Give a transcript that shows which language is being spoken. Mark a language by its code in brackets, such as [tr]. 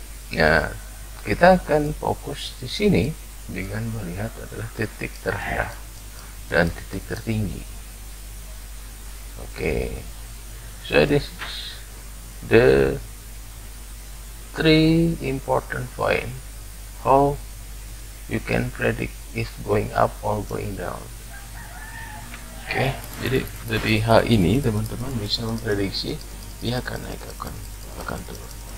[id] Nah, kita akan fokus di sini dengan melihat adalah titik terendah dan titik tertinggi. [en] Okay, so this is the three important point how you can predict if going up or going down. [id] Okay, jadi dari hal ini teman-teman bisa memprediksi dia akan naik akan turun.